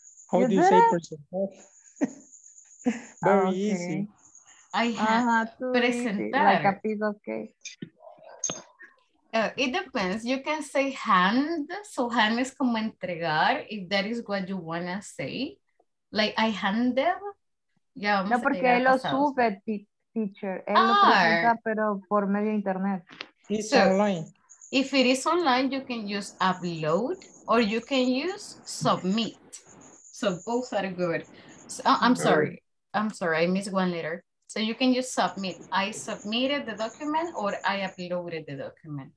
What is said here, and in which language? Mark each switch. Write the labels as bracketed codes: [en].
[en] How do you say percentage? Very okay. easy. I have presentar. Like a piece of cake. It depends. You can say hand. So hand is como entregar, if that is what you want to say. Like I handed. Yeah, [es] no, porque él lo sube, teacher. Él lo presenta, pero por medio de internet. [en] It's so, online. If it is online, you can use upload or you can use submit. So both are good. So, I'm sorry, I missed one letter. So you can just submit. I submitted the document or I uploaded the document.